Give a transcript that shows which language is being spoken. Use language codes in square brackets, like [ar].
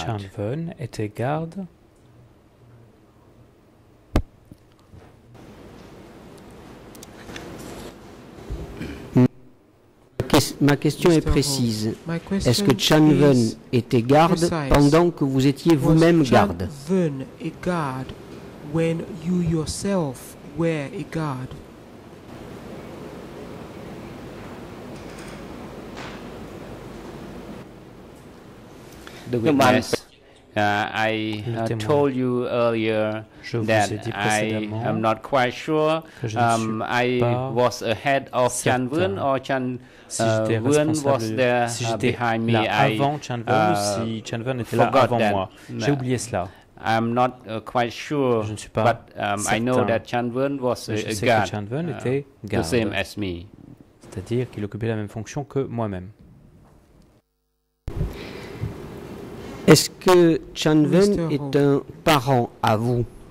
[fr] Chan Wen était garde. Ma question est précise. Est-ce que Chan Wen était garde pendant que vous étiez vous-même garde? [en] Was Chan Wen a guard when you yourself were a guard? The witness, I told you earlier that I am not quite sure. I was ahead of Chan Wen or Chan Wen was there behind me. I forgot that. [fr] J'ai oublié cela. [en] I'm not quite sure, but I know that Chan Wen was a guard, [fr] Chan Wen était [en] garde, the same as me. [fr] C'est-à-dire qu'il occupait la même fonction que moi-même. Est-ce que Chan Wen est un parent à vous?